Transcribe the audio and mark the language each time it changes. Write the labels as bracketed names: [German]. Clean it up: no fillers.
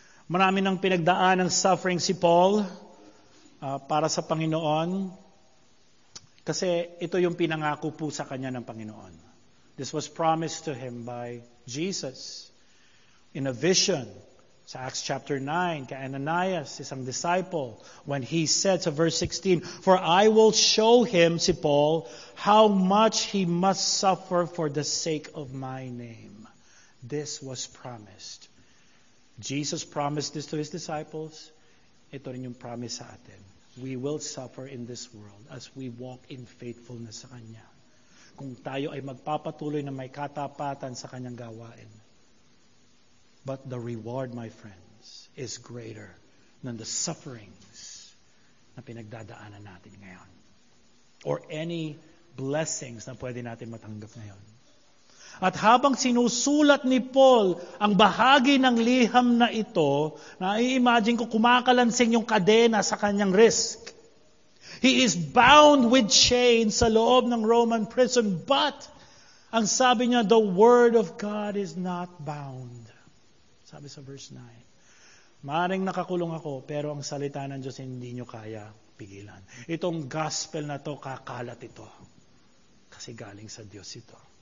[Filipino] Marami nang pinagdaan ng suffering si Paul para sa Panginoon kasi ito yung pinangako po sa kanya ng Panginoon. [English] This was promised to him by Jesus in a vision sa Acts chapter 9, [Filipino] kay Ananias, isang disciple, [English] when he said, [Filipino] sa verse 16, [English] "For I will show him," si Paul, "how much he must suffer for the sake of my name." This was promised. Jesus promised this to his disciples. [Filipino] Ito rin yung promise sa atin. [English] We will suffer in this world as we walk in faithfulness [Filipino] sa Kanya. Kung tayo ay magpapatuloy na may katapatan sa Kanyang gawain. [English] But the reward, my friends, is greater than the sufferings [Filipino] na pinagdadaanan natin ngayon. [English] Or any blessings [Filipino] na pwede natin matanggap ngayon. At habang sinusulat ni Paul ang bahagi ng liham na ito, na i-imagine ko kumakalansing yung kadena sa kanyang wrist. [English] He is bound with chains [Filipino] sa loob ng Roman prison, [English] but [Filipino] ang sabi niya, [English] the word of God is not bound. [Filipino] Sabi sa verse 9, maaring nakakulong ako, pero ang salita ng Diyos hindi nyo kaya pigilan. Itong gospel na to, kakalat ito. Kasi galing sa Diyos ito.